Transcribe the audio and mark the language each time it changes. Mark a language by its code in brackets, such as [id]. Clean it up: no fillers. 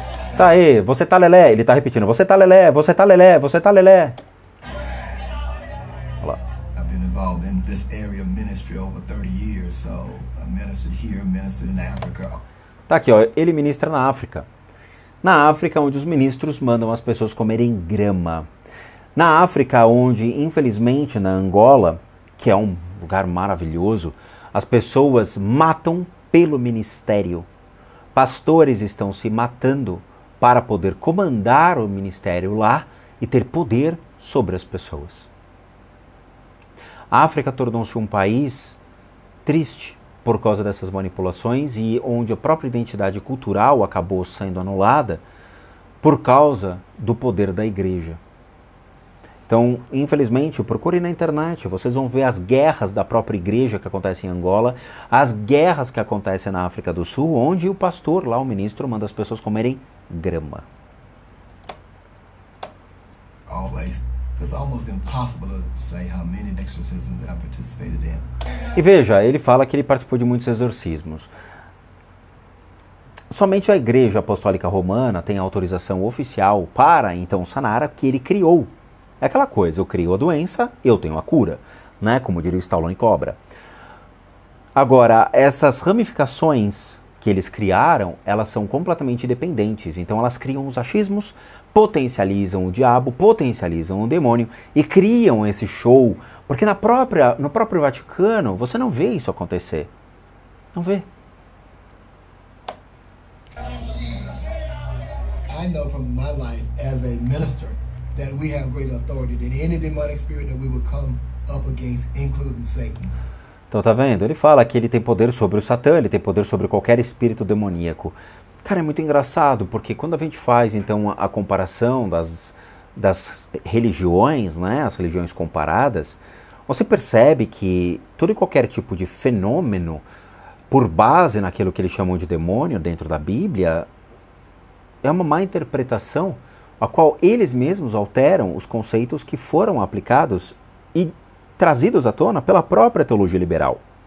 [pt] Isso aí, você tá lelé, ele tá repetindo. Você tá lelé, você tá lelé, você tá lelé. Olha lá. [en] I've been involved in this area of ministry over 30 years, so I ministered here, ministered in Africa. [pt] Tá aqui, ó. Ele ministra na África. Na África, onde os ministros mandam as pessoas comerem grama. Na África, onde, infelizmente, na Angola, que é um lugar maravilhoso, as pessoas matam pelo ministério. Pastores estão se matando para poder comandar o ministério lá e ter poder sobre as pessoas. A África tornou-se um país triste por causa dessas manipulações e onde a própria identidade cultural acabou sendo anulada por causa do poder da igreja. Então, infelizmente, procure na internet, vocês vão ver as guerras da própria igreja que acontecem em Angola, as guerras que acontecem na África do Sul, onde o pastor, lá o ministro, manda as pessoas comerem grama. [en] It's almost impossible to say how many exorcisms that I participated in. [pt] E veja, ele fala que ele participou de muitos exorcismos. Somente a Igreja Apostólica Romana tem autorização oficial para, então, sanar o que ele criou. É aquela coisa, eu crio a doença, eu tenho a cura, né? Como diria o Stallone Cobra. Agora, essas ramificações que eles criaram, elas são completamente independentes. Então, elas criam os achismos, potencializam o diabo, potencializam o demônio e criam esse show. Porque na própria, no próprio Vaticano, você não vê isso acontecer. Não vê. [en] I know from my life as a minister that we have greater authority than any demonic spirit that we would come up against, including Satan. [pt] Então tá vendo? Ele fala que ele tem poder sobre o Satã, ele tem poder sobre qualquer espírito demoníaco. Cara, é muito engraçado, porque quando a gente faz, então, a comparação das religiões, né, as religiões comparadas, você percebe que todo e qualquer tipo de fenômeno, por base naquilo que eles chamam de demônio dentro da Bíblia, é uma má interpretação, a qual eles mesmos alteram os conceitos que foram aplicados e trazidos à tona pela própria teologia liberal.